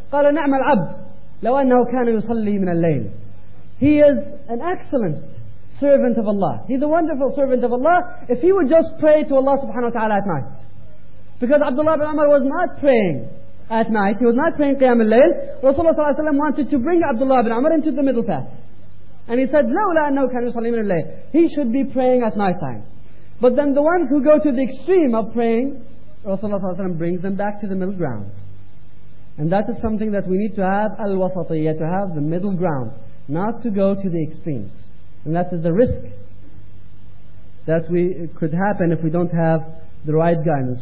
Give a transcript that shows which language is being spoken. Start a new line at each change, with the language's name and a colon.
Arabic: قَالَ نَعْمَ الْعَبْدُ لَوْ أَنَّهُ كَانَ يُصَلِّي مِنَ اللَّيْلِ.
English: He is an excellent servant of Allah. He's a wonderful servant of Allah. If he would just pray to Allah subhanahu wa ta'ala at night. Because Abdullah ibn Umar was not praying at night. He was not praying Qiyam al-Layl. Rasulullah sallallahu alayhi wa sallam wanted to bring Abdullah ibn Umar into the middle path. And he said,
Arabic: لَوْلَا أَنَّهُ كَانَ يُصَلِّي مِنَ اللَّيْلِ.
English: He should be praying at night time. But then the ones who go to the extreme of praying, Rasulullah sallallahu alayhi wa sallam brings them back to the middle ground. And that is something that we need to have, al-wasatiyya, to have the middle ground. Not to go to the extremes. And that is the risk that we could happen if we don't have the right guidance.